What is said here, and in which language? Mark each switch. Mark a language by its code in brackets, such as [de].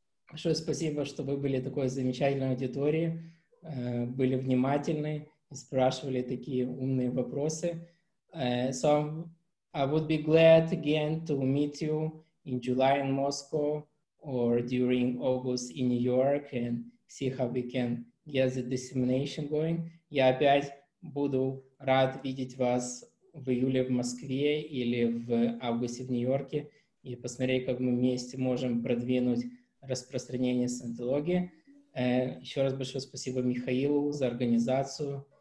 [ru] Большое спасибо, что вы были такой замечательной аудиторией, были внимательны и спрашивали такие умные вопросы. [en] So I would be glad again to meet you in July in Moscow or during August in New York and see how we can get the dissemination going. [ru] Я опять буду рад видеть вас в июле в Москве или в августе в Нью-Йорке и посмотреть, как мы вместе можем продвинуть распространение саентологии. Еще раз большое спасибо Михаилу за организацию.